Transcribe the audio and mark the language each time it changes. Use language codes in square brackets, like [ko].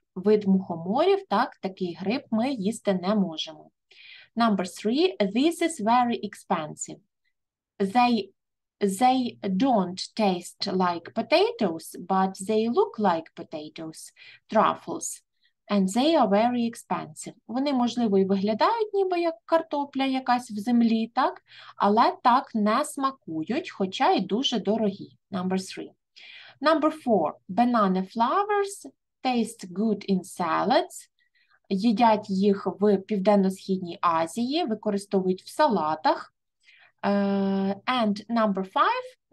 [uk] Вид мухоморів, так, такий гриб ми їсти не можемо. [en] Number three, this is very expensive. They don't taste like potatoes, but they look like potatoes, truffles. And they are very expensive. [uk] Вони, можливо, і виглядають ніби як картопля якась в землі, так? Але так не смакують, хоча й дуже дорогі. [en] Number three. Number four. Banana flowers taste good in salads. [uk] Їдять їх в Південно-Східній Азії, використовують в салатах. [en] And number five.